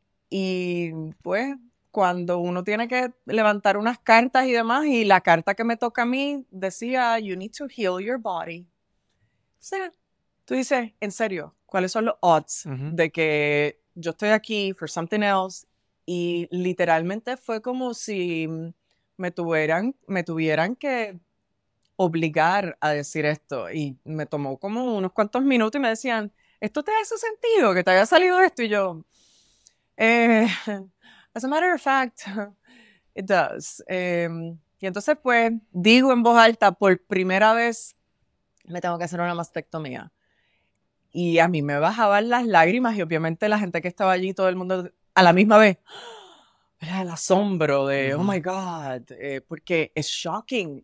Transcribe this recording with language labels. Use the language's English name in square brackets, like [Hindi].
[Spanish] Y pues cuando uno tiene que levantar unas cartas y demás, y la carta que me toca a mí decía, [English] you need to heal your body. [Spanish] O sea, tú dices, en serio, ¿cuáles son los odds de que yo estoy aquí [English] for something else? [Spanish] Y literalmente fue como si me tuvieran que obligar a decir esto. Y me tomó como unos cuantos minutos y me decían, ¿esto te hace sentido que te haya salido esto? Y yo, [English] as a matter of fact, it does. [Spanish] Y entonces pues digo en voz alta, por primera vez me tengo que hacer una mastectomía. Y a mí me bajaban las lágrimas y obviamente la gente que estaba allí, todo el mundo, a la misma vez, el asombro de, [English] oh my God, [Spanish] porque es shocking.